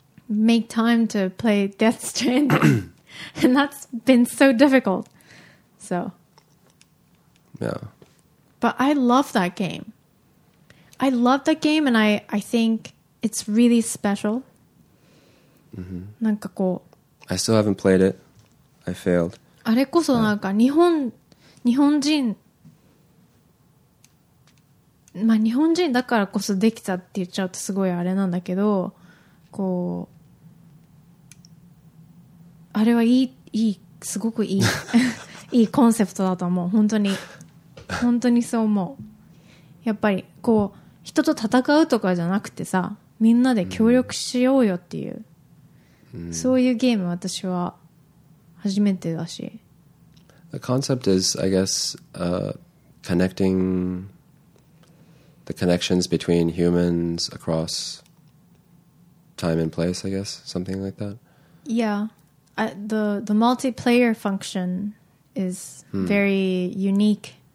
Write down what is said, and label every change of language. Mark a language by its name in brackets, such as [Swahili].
[English] Make time to play Death Stranding, and that's been so difficult. So, yeah. But I love that game. I love that game, and I think it's really special. Mm-hmm. [Japanese] なんかこう。 [English] I still haven't played it. I failed. [Japanese] あれこそなんか日本人、まあ日本人だからこそできたって言っちゃうとすごいあれなんだけど、こう。あれはいいすごくいいコンセプトだと思う。本当に本当にそう思う。やっぱりこう人と戦うとかじゃなくてさ、みんなで協力しようよっていう、そういうゲーム私は初めてだし。 [English] The concept is, I guess, connecting the connections between humans across time and place, I guess, something like that. Yeah. the multiplayer function is very unique.